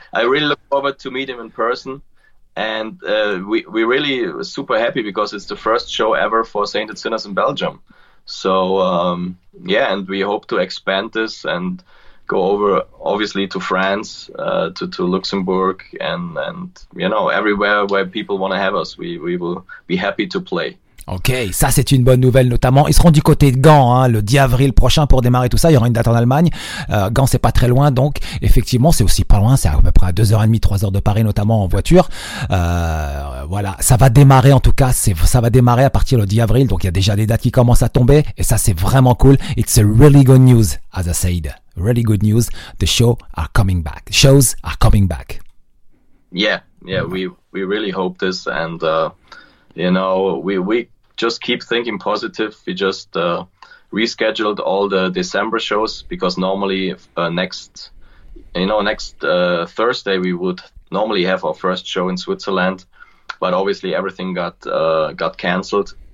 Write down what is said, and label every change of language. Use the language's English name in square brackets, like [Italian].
[English] I really look forward to meet him in person. And we're really super happy because it's the first show ever for Sainted Sinners in Belgium. So, and we hope to expand this and go over, obviously, to France, to Luxembourg, and you know, everywhere where people want to have us, we will be happy to play. [French] Ok, ça c'est une bonne nouvelle notamment. Ils seront du côté de Gand hein, le 10 avril prochain pour démarrer tout ça. Il y aura une date en Allemagne. Gand c'est pas très loin donc effectivement c'est aussi pas loin. C'est à peu près à 2h30, 3h de Paris notamment en voiture. Voilà, ça va démarrer en tout cas. Ça va démarrer à partir du 10 avril. Donc il y a déjà des dates qui commencent à tomber. Et ça c'est vraiment cool. [English] It's a really good news, as I said. Really good news. The show are coming back. Shows are coming back. Yeah, we really hope this. And we just keep thinking positive. We just rescheduled all the December shows because normally next Thursday we would normally have our first show in Switzerland, but obviously everything got cancelled.